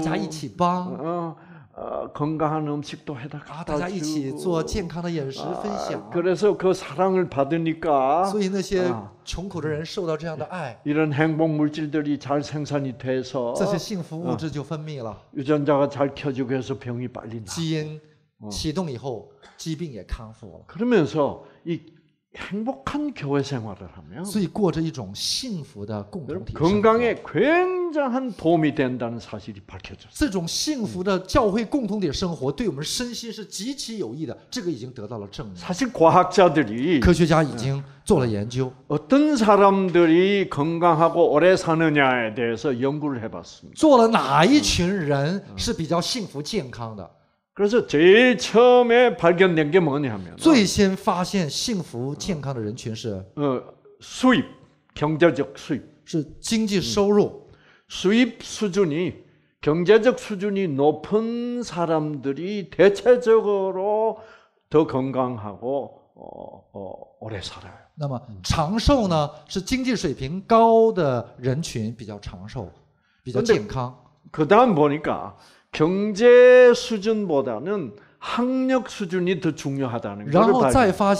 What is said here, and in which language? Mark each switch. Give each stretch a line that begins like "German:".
Chinese: 有困难的教友，哎，大家一起帮，嗯，
Korean: 건강한 음식도 해다가
Chinese: 大家一起做健康的饮食分享。
Korean: 그래서 그 사랑을 받으니까
Chinese: 所以那些穷苦的人受到这样的爱，
Korean: 이런 행복 물질들이 잘 생산이 돼서
Chinese: 这些幸福物质就分泌了。
Korean: 유전자가 잘 켜지고 해서 병이 빨리 나.
Chinese: 基因 启动以后，疾病也康复了。
Korean: 그러면서 이 행복한 교회 생활을 하면,
Chinese: 所以过着一种幸福的共同体，
Korean: 건강에 굉장한 도움이 된다는 사실이 밝혀졌어요.
Chinese: 这种幸福的教会共同体生活对我们身心是极其有益的，这个已经得到了证明。
Korean: 사실 과학자들이,
Chinese: 科学家已经做了研究。
Korean: 어떤 사람들이 건강하고 오래 사느냐에 대해서 연구를 해봤습니다.
Chinese: 做了哪一群人是比较幸福健康的？
Korean: 그래서 제일 처음에 발견된 게 뭐냐면
Chinese: 最先发现幸福健康的人群是
Korean: 수입, 경제적 수입.
Chinese: 是经济收入。
Korean: 수입 수준이 경제적 수준이 높은 사람들이 대체적으로 더 건강하고 오래 살아요.
Chinese: 那么长寿呢，是经济水平高的人群比较长寿，比较健康。
Korean: 그다음 보니까 경제 수준보다는 학력 수준이 더 중요하다는 것을 발견.